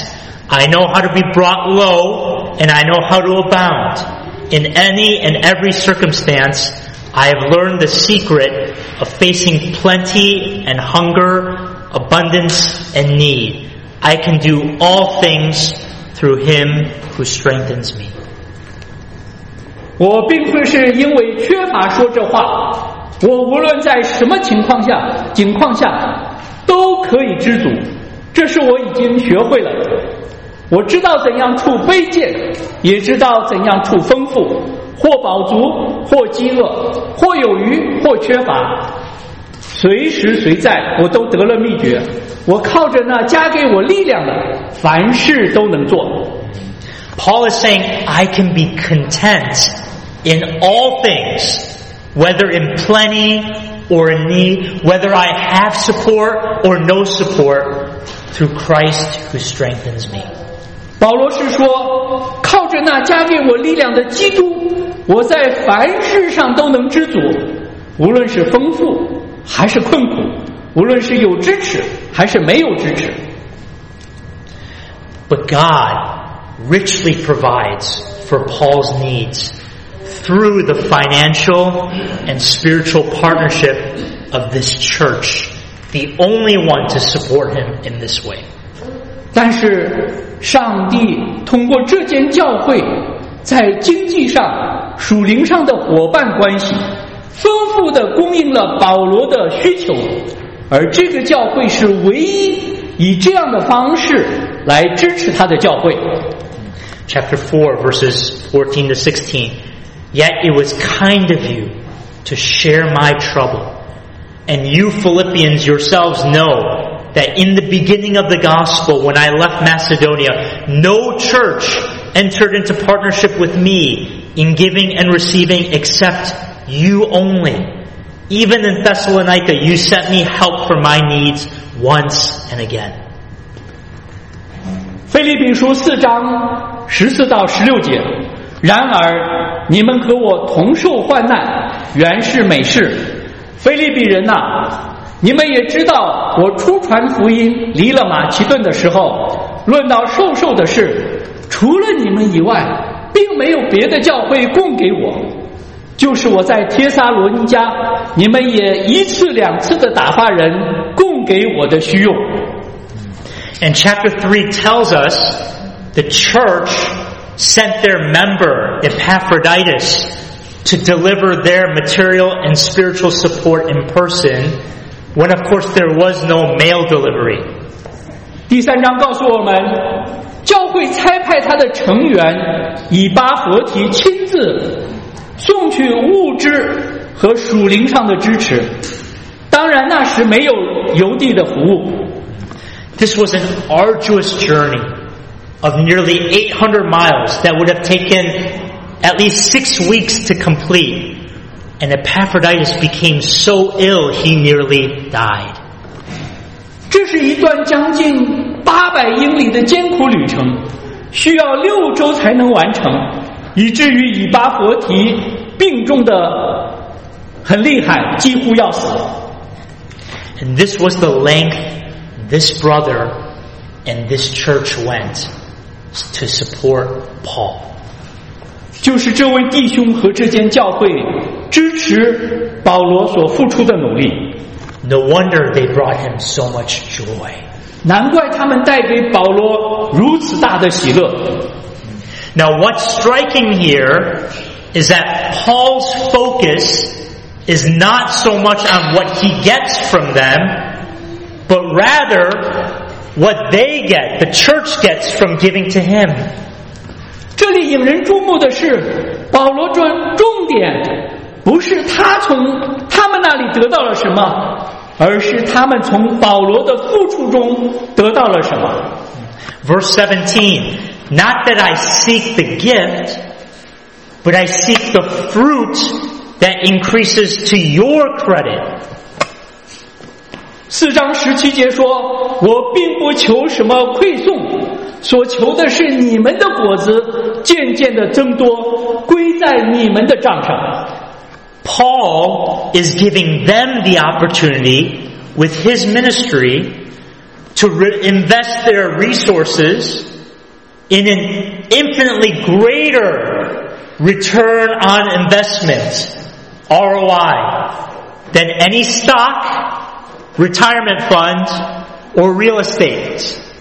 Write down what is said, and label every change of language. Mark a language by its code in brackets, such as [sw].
[en] I know how to be brought low, and I know how to abound. In any and every circumstance, I have learned the secret of facing plenty and hunger, abundance and need. I can do all things through Him who strengthens me. [zh] 我并不是因为缺乏说这话，我无论在什么情况下都可以知足，这是我已经学会了。我知道怎样处卑贱，也知道怎样处丰富，或饱足，或饥饿，或有余，或缺乏，随时随在，我都得了秘诀。我靠着那加给我力量的，凡事都能做。 [en] Paul is saying, I can be content in all things, whether in plenty or in need, whether I have support or no support, through Christ who strengthens me. [zh] 保罗是说，靠着那加给我力量的基督，我在凡事上都能知足，无论是丰富还是困苦，无论是有支持还是没有支持。 [en] But God richly provides for Paul's needs through the financial and spiritual partnership of this church, the only one to support him in this way. [zh] 但是上帝通过这间教会在经济上、属灵上的伙伴关系，丰富地供应了保罗的需求，而这个教会是唯一以这样的方式来支持他的教会。 [en] Chapter 4, verses 14 to 16. Yet it was kind of you to share my trouble. And you Philippians yourselves know that in the beginning of the gospel, when I left Macedonia, no church entered into partnership with me in giving and receiving except you only. Even in Thessalonica, you sent me help for my needs once and again. [zh] 腓立比书四章十四到十六节，然而你们和我同受患难，原是美事。腓立比人呐，你们也知道，我初传福音离了马其顿的时候，论到受受的事，除了你们以外，并没有别的教会供给我。就是我在帖撒罗尼迦，你们也一次两次的打发人供给我的需用。 [en] And chapter 3 tells us the church sent their member Epaphroditus to deliver their material and spiritual support in person when of course there was no mail delivery. [zh] 第三章告诉我们，教会差派他的成员以巴弗提亲自送去物资和属灵上的支持，当然那时没有邮递的服务。 [en] This was an arduous journey of nearly 800 miles that would have taken at least 6 weeks to complete. And Epaphroditus became so ill he nearly died. [zh] 这是一段将近800英里的艰苦旅程，需要六周才能完成，以至于以巴弗提病重得很厉害，几乎要死。 [en] And this was the length this brother and this church went to support Paul. [zh] 就是这位弟兄和这间教会支持保罗所付出的努力。 [en] No wonder they brought him so much joy. [zh] 难怪他们带给保罗如此大的喜乐。 [en] Now what's striking here is that Paul's focus is not so much on what he gets from them, but rather what they get, the church gets from giving to him. [zh] 这里引人注目的是保罗转重点不是他从他们那里得到了什么，而是他们从保罗的付出中得到了什么。 [en] Verse 17, not that I seek the gift, but I seek the fruit that increases to your credit. [zh] 四章十七节说，我并不求什么馈送，所求的是你们的果子渐渐的增多，归在你们的账上。 [en] Paul is giving them the opportunity with his ministry to invest their resources in an infinitely greater return on investment, ROI, than any stock, retirement fund, or real estate.